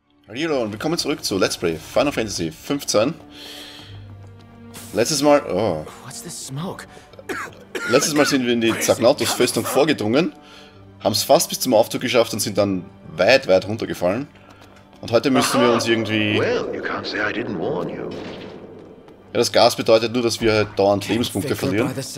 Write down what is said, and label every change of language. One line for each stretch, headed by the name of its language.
German: Hallo und willkommen zurück zu Let's Play Final Fantasy 15. Letztes Mal. Oh.
English: What's this smoke?
German: Letztes Mal sind wir in die Zagnatus-Festung vorgedrungen, haben es fast bis zum Aufzug geschafft und sind dann weit, weit runtergefallen. Und heute müssen wir uns irgendwie.
English: Well, you can't say I didn't warn you.
German: Ja, das Gas bedeutet nur, dass wir halt dauernd Lebenspunkte verlieren.